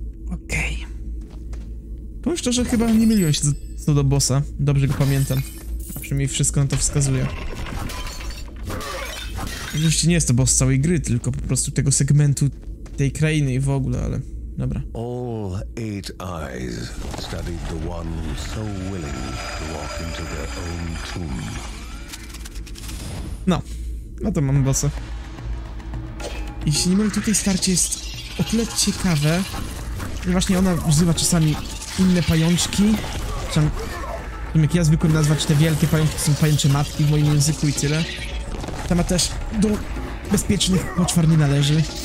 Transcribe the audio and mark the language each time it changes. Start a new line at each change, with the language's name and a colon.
Polish: Okej. Powiem szczerze, że chyba nie myliłem się co do bossa. Dobrze go pamiętam. A przynajmniej wszystko na to wskazuje. Oczywiście nie jest to boss całej gry, tylko po prostu tego segmentu tej krainy i w ogóle, ale... Dobra.
English: All 8 eyes studied the one so willing to walk into their own tomb.
Polish: No. No to mam bossa. Jeśli nie mylę, tutaj starcie jest o tyle ciekawe, że właśnie ona wzywa czasami inne pajączki. Czasem, jak ja zwykłem nazwać te wielkie pajączki, to są pajęcze matki w moim języku i tyle. Ta ma też do bezpiecznych poczwar nie należy.